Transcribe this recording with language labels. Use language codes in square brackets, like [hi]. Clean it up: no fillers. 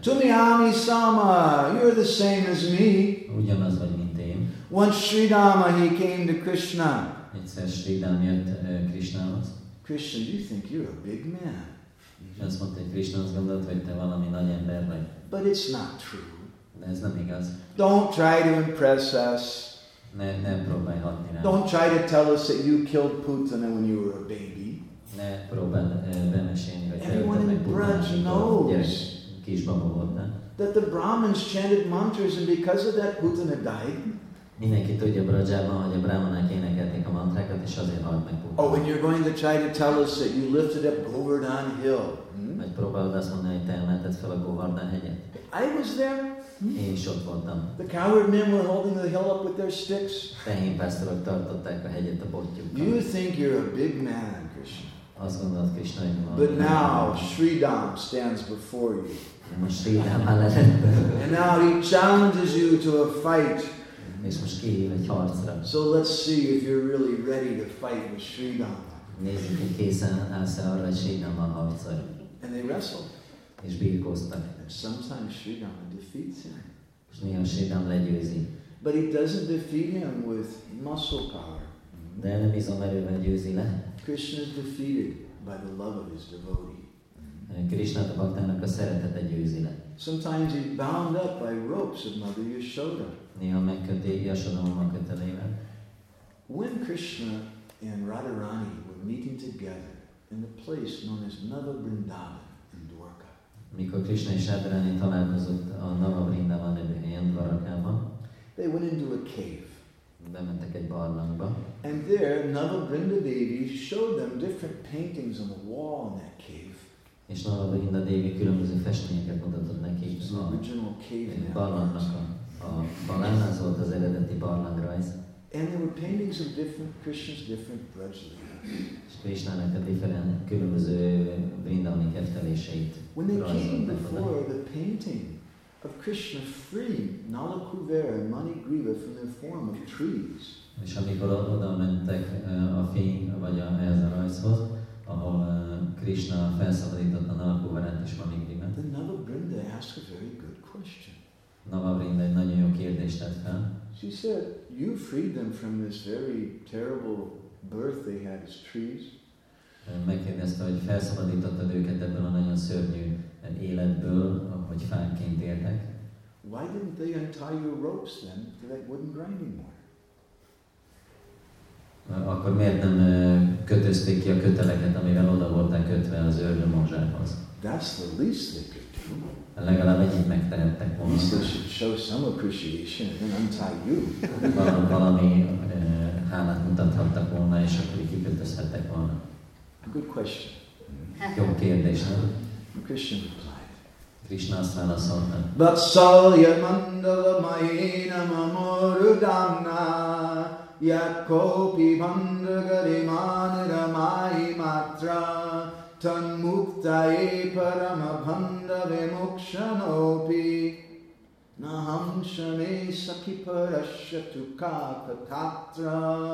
[bn] Tumi ami sama, [en] you're the same as me. [hu] Ugyanaz vagy, mint én. [en] Once Sri Rama, he came to Krishna. [hu] Egyszer Sri Rama jött Krishnához. [en] Krishna, do you think you're a big man? [hu] Azt mondta, hogy Krishna, azt gondolt, hogy te valami nagy ember vagy. [en] But it's not true. [hu] Ez nem igaz. [en] Don't try to impress us. [hu] Ne próbálj hatni rá. [en] Don't try to tell us that you killed Putana when you were a baby. [hu] Ne próbálj bemesélni, hogy [en] everyone in Braj knows [hu] kisbaba voltál. [en] That the Brahmins chanted mantras and because of that Putana died. [hu] Mindenki tudja Brajában, hogy a brahmanák énekelték a mantrákat, és azért halt meg Putana. [en] Oh, and you're going to try to tell us that you lifted up Govardhan Hill. [hu] Vagy próbálod azt mondani, hogy te emelted fel a Govardhan hegyet. [en] I was there. [hu] Én is ott voltam. [en] The coward men were holding the hill up with their sticks. [hu] Tehén pásztorok tartották a hegyet a botjukkal. [en] You think you're a big man, Krishna. [hu] Azt gondolod, Krishna, hogy valami. [en] But now Sridham stands before you. [hu] Most Sridham áll előtted. [en] And now he challenges you to a fight. [hu] És most kihív egy harcra. [en] So let's see if you're really ready to fight with Sridham. [hu] Nézzük, hogy készen állsz-e arra, hogy Sridham a harcra. [en] And they wrestled. [hu] És birkóztak. [en] Sometimes Sridham defeats him. [hu] És néha Sridham legyőzi. [en] But he doesn't defeat him with muscle power. [hu] De nem bizony erővel győzi le. [en] Krishna is defeated by the love of his devotee. [hu] Krishna a baktának a szeretete győzi le. [en] Sometimes he's bound up by ropes of Mother Yashoda. [hu] Néha megköti Yashodamának kötelével. [en] When Krishna and Radharani were meeting together in the place known as Navabrindavan, [hu] mikor Krishna és Radharani találkozott a Navabrindavan nevű helyen, Dvarakában, [en] they went into a cave. [hu] Bementek egy barlangba. [en] And there, Navabrinda Devi showed them different paintings on the wall in that cave. [hu] És Navabrinda Devi különböző festményeket mutatott neki. [en] It's an original cave. [hu] Egy barlangnak a barlangnak volt az eredeti barlangrajz. [en] And there were paintings of different Krishna's different brajlis. [hu] Krishna-nak a different, különböző Vrindavani kefteléseit. [en] When they came before the painting of Krishna freeing Nala Kuvera and Manigriva from their form of trees. [hu] És amikor oda mentek a fény, vagy ehhez a rajzhoz, ahol Krishna felszabadította Nala Kuverát és Manigrivát. [en] Then Navabrinda asked a very good question. [hu] Navabrinda egy nagyon jó kérdést tett fel. [en] She said, you freed them from this very terrible birth they had as trees. [hu] Megkérdezte, hogy felszabadítottad őket ebből a nagyon szörnyű életből, ahogy fánként éltek. [en] Why didn't they untie your ropes then to that wooden grinding mill? [hu] Akkor miért nem kötözték ki a köteleket, amivel oda voltak kötve az ördög mozsához? [en] That's the least they could do. [hu] Legalább egyet megtehettek volna. [en] You should show some appreciation and untie you. [hu] Valami hálát mutathattak volna, és akkor kikötözhettek volna. [en] Good question. [hu] Jó kérdés, nem? [en] Krishna replied. [hu] Krishna azt válaszolta. [sa] Vatsalya mandala mayena mamurudana yakopi bandagari manira mai matra tanmuktaye paramabhanda vimokshanopi naham shame sakiparashyatu kakatatra.